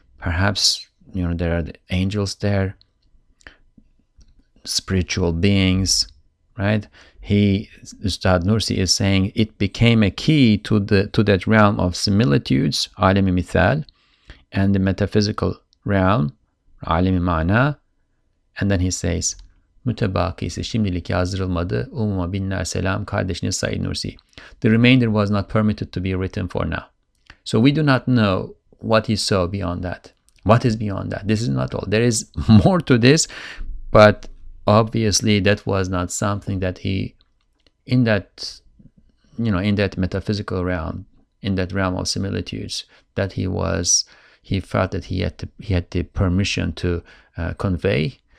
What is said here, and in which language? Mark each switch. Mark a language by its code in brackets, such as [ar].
[en] Perhaps, you know, there are the angels there, spiritual beings, right? He, Ustad Nursi, is saying it became a key to that realm of similitudes, alemi mithal, and the metaphysical realm, alemi mana. And then he says, [tr] mütebakisi şimdilik yazdırılmadı, umuma binler selam kardeşiniz Said Nursi. [en] The remainder was not permitted to be written for now. So we do not know what he saw beyond that. What is beyond that? This is not all. There is more to this, but obviously that was not something that he, in that, you know, in that metaphysical realm, in that realm of similitudes, that he was, he felt that he had the permission to convey.